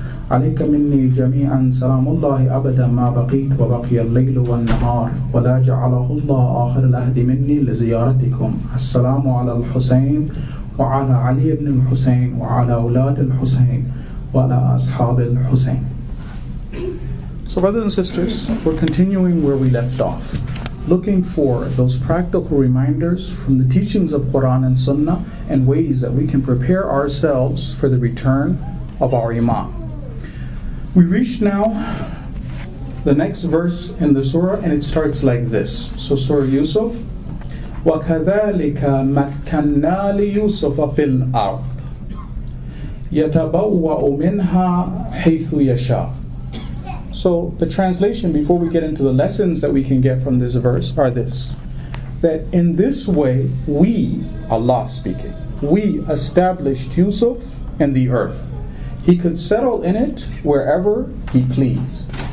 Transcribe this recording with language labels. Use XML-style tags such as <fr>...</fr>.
<ar>عليك مني جميعا سلام الله أبدا ما بقيت وبقي الليل والنهار، ولا جعله الله آخر الأهد مني لزيارتكم. السلام على الحسين وعلى علي بن الحسين وعلى أولاد الحسين وعلى أصحاب الحسين.</ar> <en>So brothers and sisters, we're continuing where we left off, looking for those practical reminders from the teachings of Quran and Sunnah and ways that we can prepare ourselves for the return of our Imam. We reach now the next verse in the surah, and it starts like this. So Surah Yusuf,</en> <ar>وَكَذَلِكَ مَكَّنَّا لِيُوسُفَ فِي الْأَرْضِ يَتَبَوَّأُ مِنْهَا حَيْثُ يَشَاءُ.</ar> <en>So the translation, before we get into the lessons that we can get from this verse, are this: that in this way we, Allah speaking, we established Yusuf in the earth. He could settle in it wherever he pleased.</en>